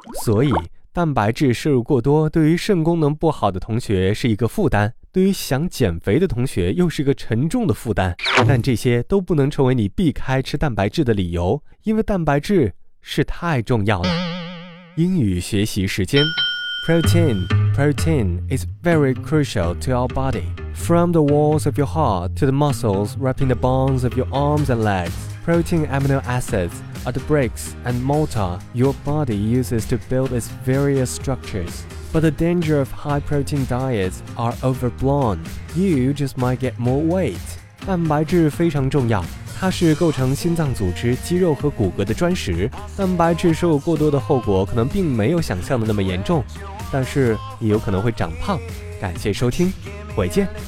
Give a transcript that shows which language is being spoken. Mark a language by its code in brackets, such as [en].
[zh] 所以，蛋白质摄入过多对于肾功能不好的同学是一个负担，对于想减肥的同学又是个沉重的负担。但这些都不能成为你避开吃蛋白质的理由，因为蛋白质是太重要了。英语学习时间。 [en] Protein is very crucial to our body. From the walls of your heart to the muscles wrapping the bones of your arms and legs, protein amino acids are the bricks and mortar your body uses to build its various structures. But the danger of high-protein diets are overblown. You just might get more weight. [zh] 蛋白质非常重要，它是构成心脏组织、肌肉和骨骼的砖石。蛋白质摄入过多的后果可能并没有想象的那么严重，但是你有可能会长胖。感谢收听，回见。